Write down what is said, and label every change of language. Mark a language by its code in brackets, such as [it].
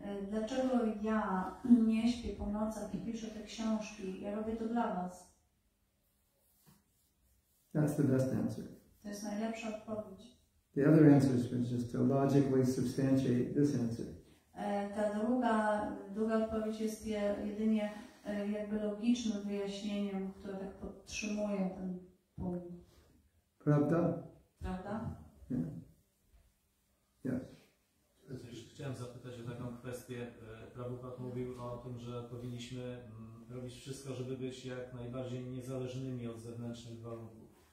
[pl] Dlaczego ja nie śpię po nocach i piszę te książki? Ja robię to dla was. [en] That's the best answer. [pl] To jest najlepsza odpowiedź. [en] The other answer is just to logically substantiate this answer. [pl] Ta druga odpowiedź jest jedynie jakby logicznym wyjaśnieniem, które tak podtrzymuje ten punkt. Prawda? Prawda? [en] Yeah. Yes. [pl] Chciałem zapytać o taką kwestię. Prabhupada mówił o tym, że powinniśmy robić wszystko, żeby być jak najbardziej niezależnymi od zewnętrznych warunków.